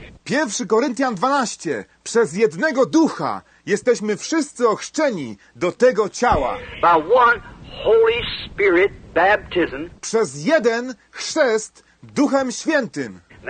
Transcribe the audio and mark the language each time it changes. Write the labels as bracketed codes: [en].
[pl] 1 Koryntian 12. Przez jednego ducha jesteśmy wszyscy ochrzczeni do tego ciała. [en] By one Holy Spirit baptism. [pl] Przez jeden chrzest Duchem Świętym.